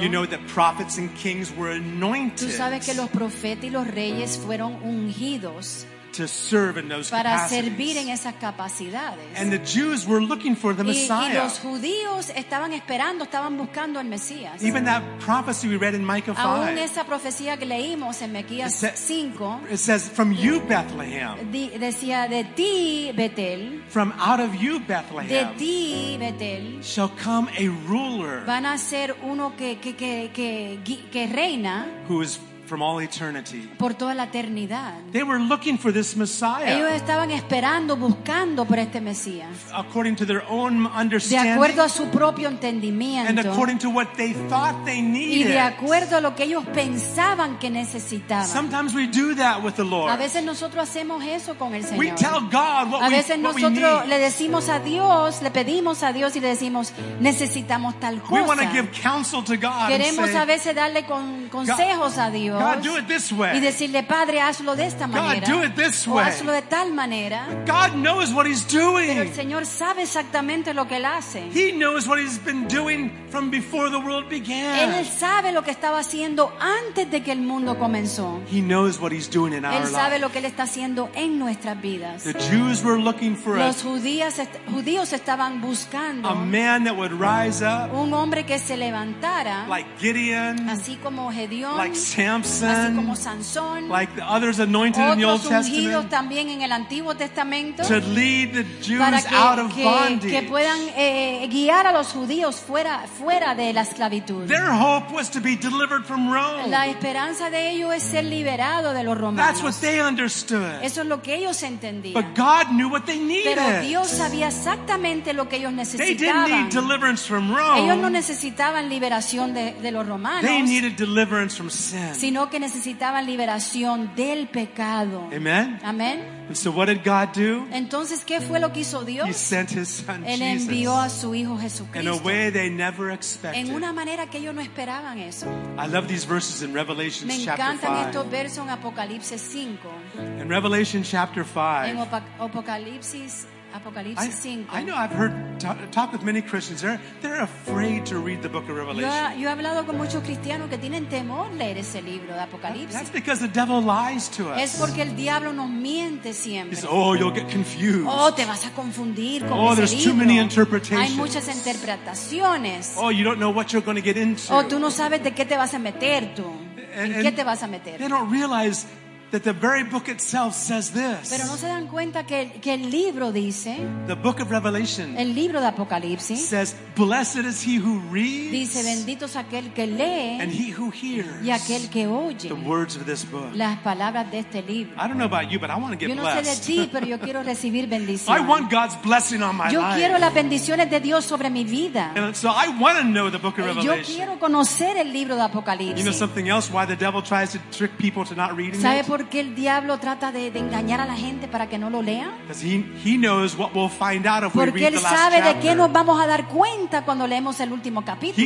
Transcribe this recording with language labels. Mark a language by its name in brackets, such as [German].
[English] you know that prophets and kings were anointed. [Spanish] Tú sabes que los profetas y los reyes fueron ungidos. [English] To serve in those [Spanish] para [English] capacities. [Spanish] Servir en esas capacidades. [English] And the Jews were looking for the Messiah. [Spanish] Y los judíos estaban esperando, estaban buscando al Mesías. [English] Even that prophecy we read in Micah 5. [Spanish] Aún esa profecía que leímos en Miqueas 5. [English] It says, "From you, Bethlehem." [Spanish] Decía de ti, Betel. [English] From out of you, Bethlehem. [Spanish] De ti, Betel. [English] Shall come a ruler. [Spanish] Van a ser uno que reina. [English] Who is from all eternity. [Spanish] Por toda la eternidad. [English] They were looking for this Messiah. [Spanish] Ellos estaban esperando, buscando por este Mesías. [English] According to their own understanding. [Spanish] De acuerdo a su propio entendimiento. [English] And according to what they thought they needed. [Spanish] Y de acuerdo a lo que ellos pensaban que necesitaban. [English] Sometimes we do that with the Lord. [Spanish] A veces nosotros hacemos eso con el Señor. [English] We tell God what [Spanish] a veces [English] we, [Spanish] nosotros [English] what we need. [Spanish] Le decimos a Dios, le pedimos a Dios y le decimos, necesitamos tal cosa. [English] We want to give counsel to God. [Spanish] Queremos [English] say, [Spanish] a veces darle consejos [English] God, [Spanish] a Dios. [English] God, do it this way. [Spanish] Y decirle, Padre, hazlo de esta manera. [English] God, do it this way. [Spanish] O hazlo de tal manera. [English] God knows what he's doing. [Spanish] Pero el Señor sabe exactamente lo que él hace. [English] He knows what he's been doing from before the world began. [Spanish] Él sabe lo que estaba haciendo antes de que el mundo comenzó. [English] He knows what he's doing in our lives. [Spanish] Él sabe lo que él está haciendo en nuestras vidas. [English] The Jews were looking for [Spanish] los judíos estaban buscando [English] a man that would rise up, [Spanish] un hombre que se levantara, [English] like Gideon, [Spanish] así como Gedeón, [English] like Samson. [Spanish] Así como Sansón, [English] like the others anointed in the Old Testament, [Spanish] otros ungidos también en el Antiguo Testamento, [English] to lead the Jews out of bondage, [Spanish] que puedan guiar a los judíos fuera de la esclavitud. [English] Their hope was to be delivered from Rome. [Spanish] La esperanza de ellos es ser liberado de los romanos. [English] That's what they understood. [Spanish] Eso es lo que ellos entendían. [English] But God knew what they needed. [Spanish] Pero Dios sabía exactamente lo que ellos necesitaban. [English] They didn't need deliverance from Rome. [Spanish] Ellos no necesitaban liberación de los romanos. [English] They needed deliverance from sin. [Spanish] Sino que necesitaban liberación del pecado. [English] Amen. [Spanish] Amen. [English] And so what did God do? [Spanish] Entonces, ¿qué fue lo que hizo Dios? [English] He sent his son [Spanish] Él [English] Jesus. [Spanish] Envió a su hijo Jesucristo. [English] In a way they never expected. [Spanish] En una manera que ellos no esperaban eso. [English] I love these verses in Revelation chapter 5. [Spanish] Me encantan estos versos en Apocalipsis 5. [English] In Revelation chapter 5. [Spanish] En Apocalipsis 5. [English] I know I've heard talk with many Christians. They're afraid to read the book of Revelation. [Spanish] Yo he hablado con muchos cristianos que tienen temor leer ese libro de Apocalipsis. [English] That's because the devil lies to us. [Spanish] Es porque el diablo nos miente siempre. [English] He says, oh, you'll get confused. [Spanish] Oh, te vas a confundir con ese libro. Oh, [English] there's too many interpretations. [Spanish] Hay muchas interpretaciones. [English] Oh, you don't know what you're going to get into. [Spanish] Oh, tú no sabes de qué te vas a meter tú. ¿En qué te vas a meter? [English] They don't realize that the very book itself says this. [Spanish] Pero no se dan cuenta que el libro dice. [English] The book of Revelation. [Spanish] El libro de Apocalipsis. [English] Says, blessed is he who reads. [Spanish] Dice, bendito es aquel que lee. [English] And he who hears. [Spanish] Y aquel que oye. [English] The words of this book. [Spanish] Las palabras de este libro. [English] I don't know about you, but I want to get blessed. [Spanish] Yo no sé de ti, pero yo quiero recibir bendición. [English] I want God's blessing on my life. [Spanish] Yo quiero las bendiciones de Dios sobre mi vida. [English] And so I want to know the book of Revelation. [Spanish] Yo quiero conocer el libro de Apocalipsis. [English] You know something else? Why the devil tries to trick people to not reading it? [Spanish] ¿Sabe por qué el diablo trata de engañar a la gente para que no lo lea? [English] Because he knows what we'll find out if we read the last chapter. [Spanish] Porque él sabe de qué nos vamos a dar cuenta cuando leemos el último capítulo.